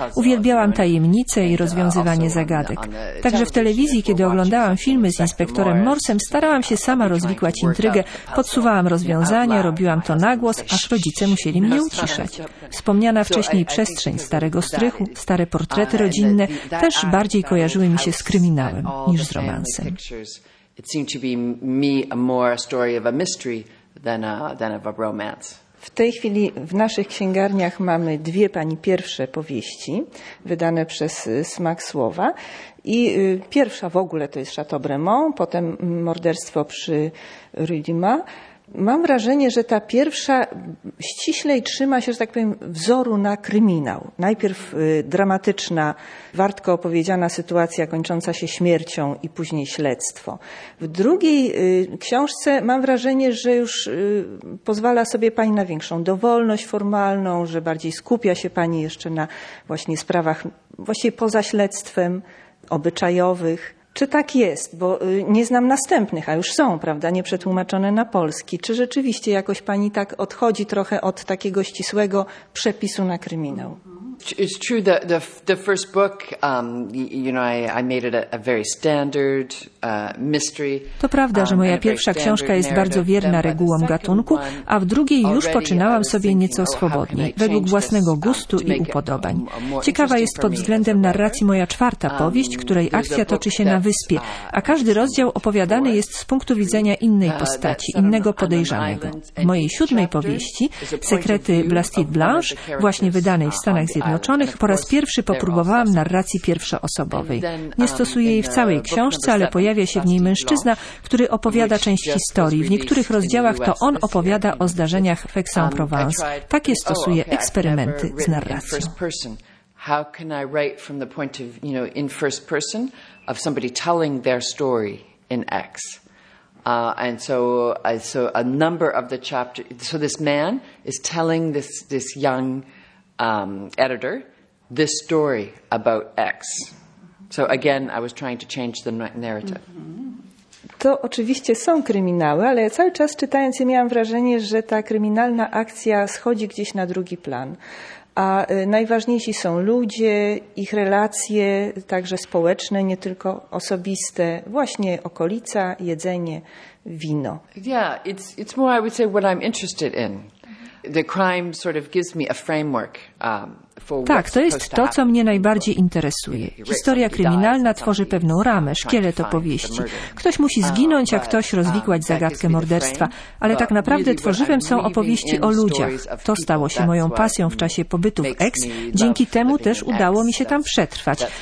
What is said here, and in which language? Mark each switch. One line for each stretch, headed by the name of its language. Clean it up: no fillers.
Polish: Uwielbiałam tajemnice i rozwiązywanie zagadek. Także w telewizji, kiedy oglądałam filmy z inspektorem Morsem, starałam się sama rozwikłać intrygę, podsuwałam rozwiązania, robiłam to na głos, aż rodzice musieli mnie uciszać. Wspomniana wcześniej przestrzeń starego strychu, stare portrety rodzinne też bardziej kojarzyły mi się z kryminałem niż z romansem.
English: It seemed to be me a more story of a mystery than of a romance.
Polish: W tej chwili w naszych księgarniach mamy dwie pani pierwsze powieści wydane przez Smak Słowa. I pierwsza w ogóle to jest Chateau Bremont, potem Morderstwo przy Rue du Mât. Mam wrażenie, że ta pierwsza ściślej trzyma się, że tak powiem, wzoru na kryminał. Najpierw dramatyczna, wartko opowiedziana sytuacja kończąca się śmiercią i później śledztwo. W drugiej książce mam wrażenie, że już pozwala sobie pani na większą dowolność formalną, że bardziej skupia się pani jeszcze na właśnie sprawach właściwie poza śledztwem, obyczajowych. Czy tak jest? Bo nie znam następnych, a już są, prawda, nieprzetłumaczone na polski. Czy rzeczywiście jakoś pani tak odchodzi trochę od takiego ścisłego przepisu na kryminał?
English: It's true that the first book, I made it a very standard mystery.
Polish: To prawda, że moja pierwsza książka jest bardzo wierna regułom gatunku, a w drugiej już poczynałam sobie nieco swobodniej, według własnego gustu i upodobań. Ciekawa jest pod względem narracji moja czwarta powieść, której akcja toczy się na wyspie, a każdy rozdział opowiadany jest z punktu widzenia innej postaci, innego podejrzanego. W mojej siódmej powieści, Sekrety Blastit Blanche, właśnie wydanej w Stanach Zjednoczonych, po raz pierwszy popróbowałam narracji pierwszoosobowej. Nie stosuję jej w całej książce, ale pojawia się w niej mężczyzna, który opowiada część historii. W niektórych rozdziałach to on opowiada o zdarzeniach w Aix-en-Provence. Takie stosuję eksperymenty z narracją.
English: How can I write from the point of, you know, in first person of somebody telling their story in X? And so a number of the chapter, so this man is telling this young editor this story about X. So again, I was trying to change the narrative.
Polish: To oczywiście są kryminały, ale ja cały czas czytając je miałam wrażenie, że ta kryminalna akcja schodzi gdzieś na drugi plan. A najważniejsi są ludzie, ich relacje, także społeczne, nie tylko osobiste, właśnie okolica, jedzenie, wino.
English: Yeah, it's more, I would say, what I'm interested in. The crime sort of gives me a framework.
Polish: Tak, to jest to, co mnie najbardziej interesuje. Historia kryminalna tworzy pewną ramę, szkielet opowieści. Ktoś musi zginąć, a ktoś rozwikłać zagadkę morderstwa. Ale tak naprawdę tworzywem są opowieści o ludziach. To stało się moją pasją w czasie pobytu w Aix. Dzięki temu też udało mi się tam przetrwać.